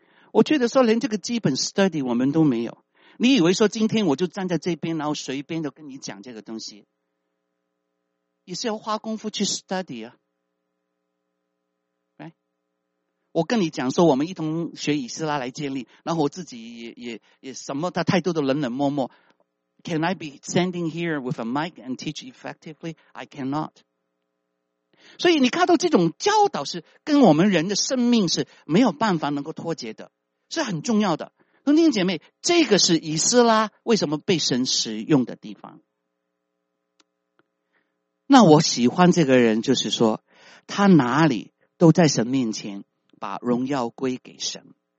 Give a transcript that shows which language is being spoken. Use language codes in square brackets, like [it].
[zh] 我觉得说连这个基本 study 我们都没有。你以为说今天我就站在这边，然后随便的跟你讲这个东西，也是要花功夫去 study 啊。我跟你讲说我们一同学以斯拉来建立，然后我自己也什么他态度都冷冷漠漠。 [en] Can I be standing here with a mic and teach effectively? I cannot。 [zh] 所以你看到这种教导是跟我们人的生命是没有办法能够脱节的，是很重要的。兄弟姐妹，这个是以斯拉为什么被神使用的地方。那我喜欢这个人，就是说他哪里都在神面前把荣耀归给神。